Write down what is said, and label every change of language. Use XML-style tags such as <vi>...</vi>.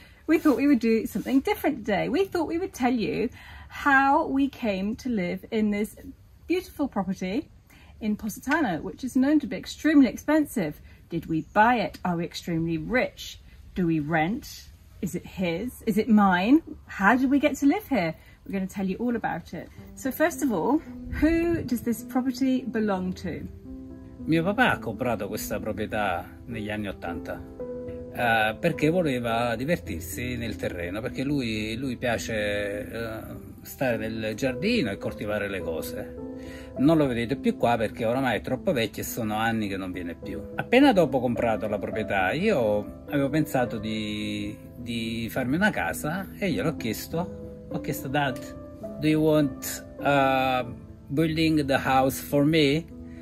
<en>We thought we would do something different today. We thought we would tell you how we came to live in this beautiful property in Positano, which is known to be extremely expensive. Did we buy it? Are we extremely rich? Do we rent? Is it his? Is it mine? How did we get to live here? We're going to tell you all about it. So first of all, who does this property belong to?</en> <it>Mio papà ha comprato questa proprietà negli anni 80. Perché voleva divertirsi nel terreno, perché lui piace stare nel giardino e coltivare le cose. Non lo vedete più qua perché oramai è troppo vecchio e sono anni che non viene più. Appena dopo comprato la proprietà, io avevo pensato di farmi una casa e gliel'ho chiesto. Ho chiesto:</it> <en>"Dad, do you want building the house for me?"</en>